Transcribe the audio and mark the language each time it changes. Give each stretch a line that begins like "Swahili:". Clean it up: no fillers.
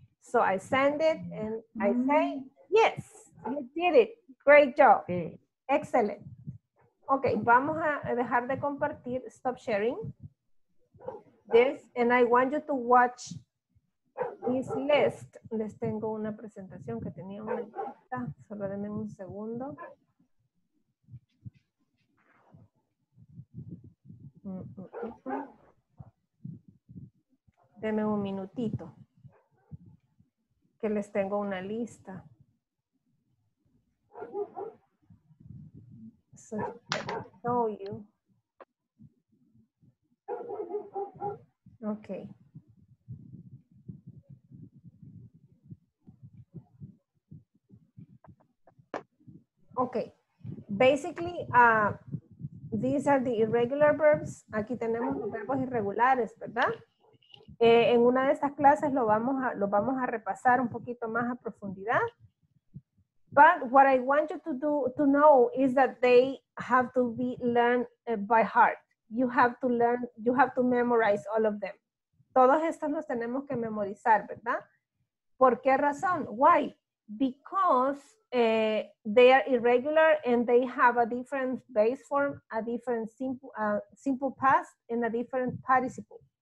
English: So I send it and I say, yes, you did it. Great job. Okay. Excellent. Okay,
Spanish: vamos a dejar de compartir,
English: stop sharing this. And I want you to watch this list.
Spanish: Les tengo una presentación que tenía una lista. Solo denme un segundo. Denme un minutito. Que les tengo una lista.
English: So I can show you. Okay. Okay. Basically, these are the irregular verbs.
Spanish: Aquí tenemos los verbos irregulares, ¿verdad? En una de estas clases lo vamos a repasar un poquito más a profundidad.
English: But what I want you to know is that they have to be learned by heart. You have to memorize all of them.
Spanish: Todos estos los tenemos que memorizar, ¿verdad? ¿Por qué razón? Why?
English: Because they are irregular and they have a different base form, a different simple past, and a different participle.